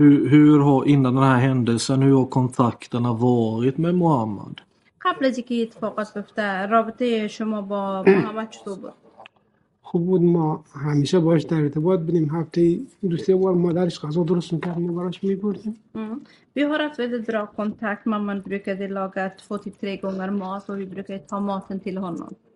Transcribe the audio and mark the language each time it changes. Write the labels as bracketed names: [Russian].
[Swedish] Hur har innan den här händelsen, hur har kontakterna varit med Mohammed? [Persian] قبل از اینکه اتفاقات بفته رابطه شما با محمد چطور بود؟ خوب بود ما همیشه باش در ارتباط بودیم هفته دو سه بار مادرش غذا درست میکرد ما براش میبردیم [Swedish] Vi har haft väldigt bra kontakt mamman brukade laga 2-3 gånger mat och vi brukade ta maten till honom